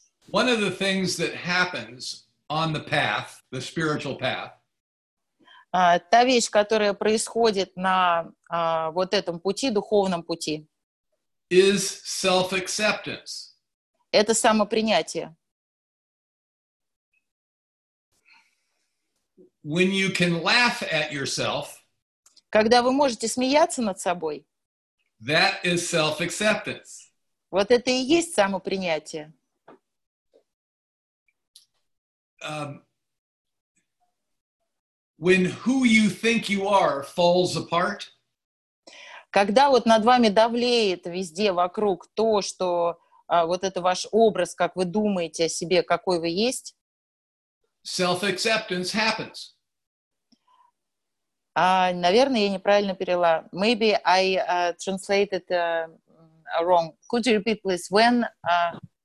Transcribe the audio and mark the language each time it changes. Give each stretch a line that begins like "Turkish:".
English: One of the things that happens on the path, the spiritual path.
Russian: Та вещь, которая происходит на вот этом пути, духовном пути.
English: Is self-acceptance.
Russian: Это самопринятие.
English: When you can laugh at yourself.
Russian: Когда вы можете смеяться над собой.
English: That is self-acceptance.
Russian: Вот это и есть самопринятие.
English: When who you think you are falls apart.
Russian: Когда вот над вами давлеет везде вокруг то, что вот это ваш образ, как вы думаете о себе, какой вы есть.
English: Self-acceptance happens.
Russian: Наверное, я неправильно перевела.
English: Maybe I translated wrong. Could you repeat, please? When